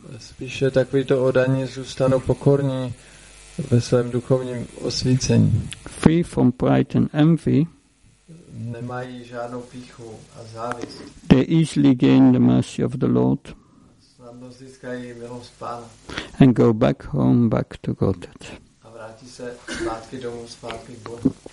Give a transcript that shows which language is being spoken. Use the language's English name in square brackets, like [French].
[Czech] Spíše takovýto oddaní zůstanou pokorní ve svém duchovním osvícení. [English] Free from pride and envy, [Czech] nemají žádnou píchu a závist, [English] they easily gain the mercy of the Lord, [Czech] snadno získají milost Pána, [English] and go back home, back to Godhead. [Czech] A vrátí se zpátky domů, zpátky k Bohu.